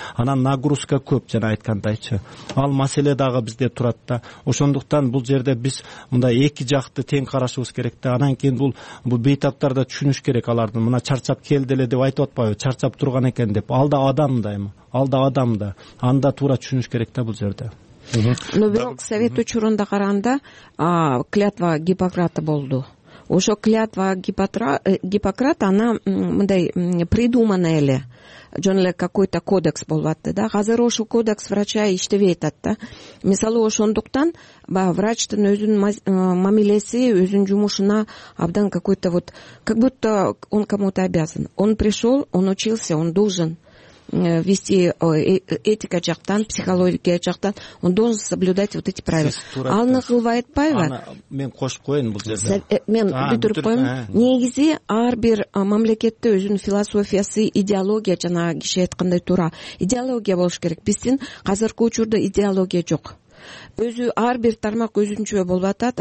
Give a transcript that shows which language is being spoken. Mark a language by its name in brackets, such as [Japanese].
[Kyrgyz] Анан нагрузка көп, жана айткандайчы ал маселе дагы бизде турат да. Ошондуктан бул жерде биз мындай эки жакты тең карашыбыз керек да. Анан кийин бул бейтап тараптар да түшүнүш керек алардын. Мына чарчап келди эле деп айтып атпайбы, чарчап турган экен деп. Ал да адам да эми. Ал да адам да. Анда туура түшүнүш керек да бул жерде. Но бирок совет учурунда караганда клятва Гиппократа болду. Ошо клятва Гиппократа, она мындай придуманная эле. Жөн эле какой-то кодекс болуп атты да. Азыр ошо кодекс врача иштебей атат да. Мисалы ошондуктан баягы врачтын өзүнүн мамилеси, өзүнүн жумушуна абдан [Russian] какой-то вот, как будто он кому-то обязан. Он пришел, он учился, он должен вести [Kyrgyz] этика жактан, психология жактан, [Russian] он должен соблюдать вот эти правила. [Kyrgyz] Аны кылбай атпайбы? Мен кошуп коеюн бул жерде. Мен бүтүрүп коеюн. Негизи ар бир мамлекетте өзүнүн философиясы, идеология жана киши айткандай туура идеология болуш керек. Биздин азыркы учурда идеология жок. Өзү ар бир тармак өзүнчө болуп атат.